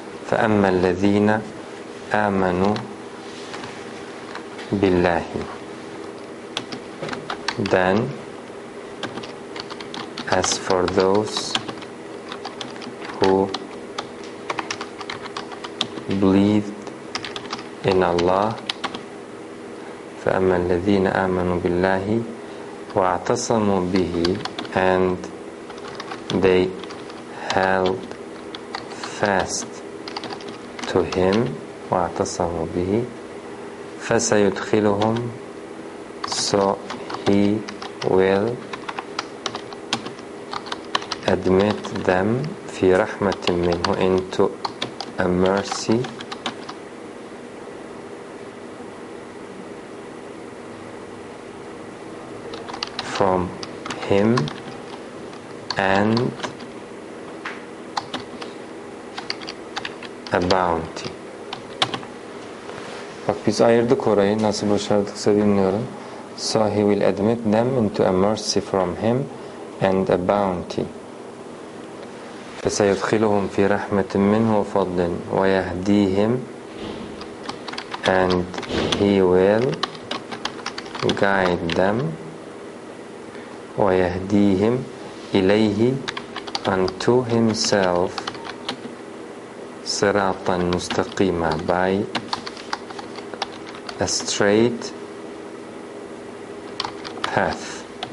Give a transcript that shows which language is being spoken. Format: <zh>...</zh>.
<ar>فَأَمَّا الَّذ۪ينَ آمَنُوا بِاللّٰهِ</ar> <en>Then, as for those people believed in Allah.</en> <ar>فَأَمَّا الَّذِينَ آمَنُوا بِاللَّهِ وَاَعْتَصَمُوا بِهِ,</ar> <en>and they held fast to him,</en> <ar>وَاَعْتَصَمُوا بِهِ, فَسَيُدْخِلُهُمْ,</ar> <en>so he will admit them,</en> <ar>فِي رَحْمَةٍ مِّنْهُ,</ar> <en>into a mercy from him, and a bounty.</en> <tr>Bak biz ayırdık orayı, nasıl başardıksa bilmiyorum.</tr> <en>So he will admit them into a mercy from him and a bounty.</en> <ar>فَسَيُدْخِلُهُمْ فِي رَحْمَةٍ مِّنْهُ وَفَضْلٍ وَيَهْدِيهِمْ,</ar> <en>and he will guide them,</en> <ar>وَيَهْدِيهِمْ إِلَيْهِ,</ar> <en>unto himself,</en> <ar>صِرَاطًا مُسْتَقِيمًا,</ar> <en>by a straight path.</en>